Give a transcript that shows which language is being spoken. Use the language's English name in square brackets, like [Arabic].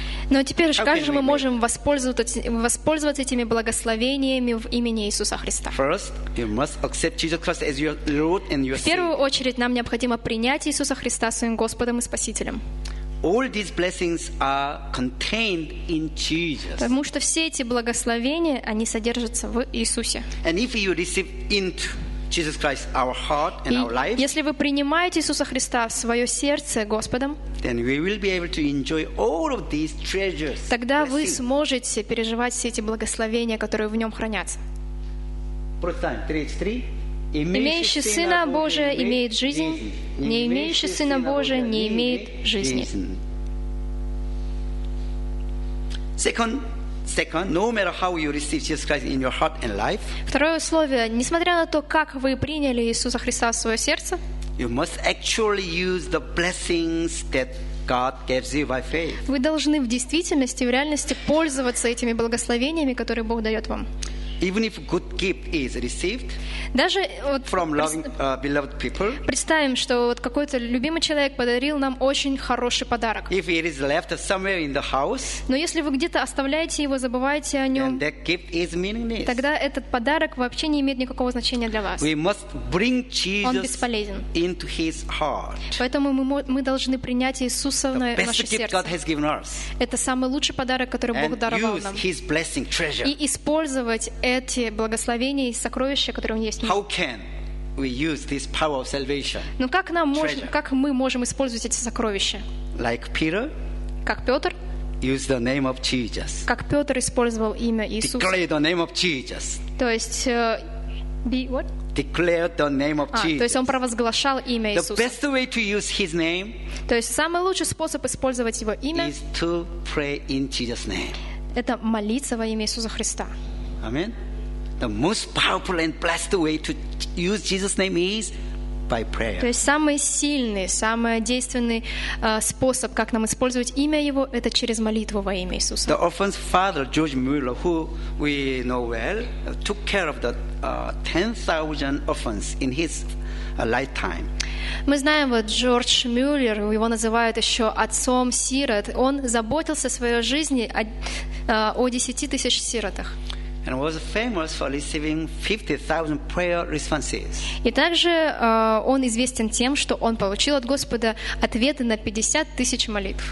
[Russian] Но теперь, как же мы можем воспользоваться этими благословениями в имени Иисуса Христа? В первую очередь, нам необходимо принять Иисуса Христа своим Господом и Спасителем. [English] All these blessings are contained in Jesus. [Russian] Потому что все эти благословения, они содержатся в Иисусе. [English] And if you receive into Jesus Christ our heart and our life. [Russian] Если вы принимаете Иисуса Христа в свое сердце Господом, [English] then we will be able to enjoy all of these treasures. [Russian] Тогда вы сможете переживать все эти благословения, которые в нем хранятся. Протестант 33. Имеющий Сына Божия имеет жизнь, не имеющий Сына Божия не имеет жизни. [English] Second, no matter how you receive Jesus Christ in your heart and life. [Russian] Второе условие, несмотря на то, как вы приняли Иисуса Христа в свое сердце, [English] you must actually use the blessings that God gives you by faith. [Russian] Вы должны в действительности, в реальности пользоваться этими благословениями, которые Бог дает вам. [English] Even if good gift is received, [Russian] даже вот [English] from loving, beloved people, [Russian] представим, что вот какой-то любимый человек подарил нам очень хороший подарок. [English] If it is left somewhere in the house, [Russian] но если вы где-то оставляете его, забываете о нем, [English] then that gift is meaningless. [Russian] Тогда этот подарок вообще не имеет никакого значения для вас. [English] We must bring Jesus. [Russian] Он бесполезен. [English] Into his heart. [Russian] Поэтому мы должны принять Иисуса в наше сердце. [English] The best gift God has given us. [Russian] Это самый лучший подарок, который Бог даровал нам. [English] And use his blessing, treasure. [Russian] И использовать эти благословения и сокровища, которые у нас есть. [English] How can we use this power of salvation? [Russian] Но как мы можем использовать эти сокровища? [English] Like Peter, [Russian] как Петр, [English] use the name of Jesus. [Russian] Как Петр использовал имя Иисуса. [English] Declare the name of Jesus. [Russian] То есть, [English] be what? Declare the name of Jesus. [Russian] То есть он провозглашал имя Иисуса. [English] The best way to use his name. [Russian] То есть самый лучший способ использовать его имя. [English] Is to pray in Jesus' name. [Russian] Это молиться во имя Иисуса Христа. [English] Amen. The most powerful and blessed way to use Jesus' name is by prayer. [Russian] То есть самый сильный, самый действенный способ, как нам использовать имя Его, это через молитву во имя Иисуса. [English] The orphan's father, George Mueller, who we know well, took care of the 10,000 orphans in his lifetime. [Russian] Мы знаем, вот Джордж Мюллер, его называют еще отцом сирот. Он заботился в своей жизни о 10,000 сиротах. [English] And was famous for receiving 50,000 prayer responses. [Russian] И также он известен тем, что он получил от Господа ответы на 50,000 молитв.